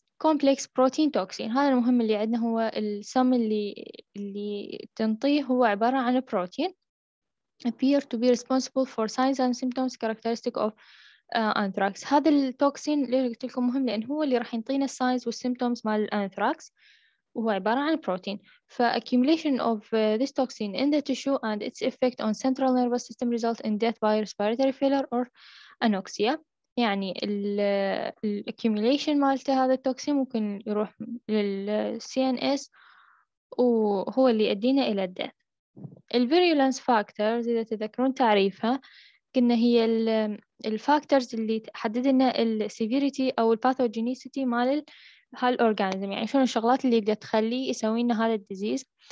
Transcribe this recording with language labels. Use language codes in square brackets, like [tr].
[ar] كومبلكس بروتين توكسين، هذا المهم اللي عندنا هو السم اللي تنطيه هو عبارة عن بروتين، [en] appear to be responsible for signs and symptoms characteristic of anthrax. [ar] هذا التوكسين اللي قلت لكم مهم لأن هو اللي راح ينطينا signs والsymptoms مال الأنثراكس، وهو عبارة عن بروتين. [en] فaccumulation of this toxin in the tissue and its effect on central nervous system result in death by respiratory failure or anoxia. [ar] يعني الaccumulation مالته هذا التوكسين ممكن يروح للCNS وهو اللي يؤدينا إلى death. الvirulence factors إذا تذكرون تعريفها قلنا هي الفاكتورز اللي تحدد لنا السيفيريتي أو الباثوجينيسيتي مال هالأورجانزم، يعني شنو الشغلات اللي بدها تخلي يسوي لنا هذا الديزيز.